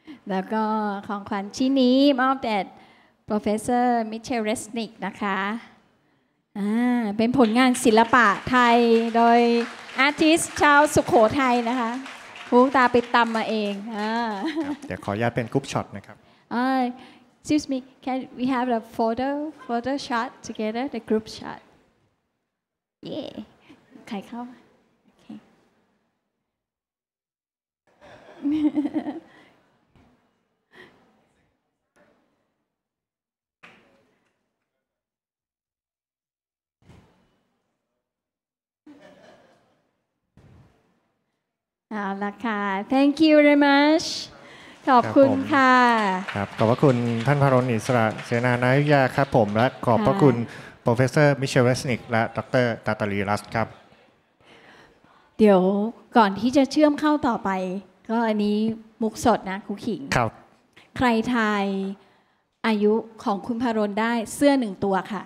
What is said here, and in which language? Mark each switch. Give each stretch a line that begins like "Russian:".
Thai: แล้วก็ของขวัญชิ้นนี้มอบแด่ Professor Mitchell Resnick นะคะเป็นผลงานศิลปะไทยโดยอาร์ติสต์ชาวสุโขทัยนะคะหูตาไปตำมาเอง เดี๋ยวขออนุญาตเป็นกรุ๊ปช็อตนะครับ
English: excuse me can we have the photo shot together the group shot yeah
Thai: ใครเข้าโอเคเอาละค่ะ
English: thank you very much
Thai: ขอบคุณค่ะ ครับขอบพระคุณท่านพรณ์อิสระเสนานายวิทยาครับผมและขอบพระคุณโปรเฟสเซอร์มิเชลเรสนิกและดร. ตาตาลีรัสครับ เดี๋ยวก่อนที่จะเชื่อมเข้าต่อไปก็อันนี้มุกสดนะคุณขิง ครับ ใครทายอายุของคุณพรณ์ได้เสื้อหนึ่งตัวค่ะ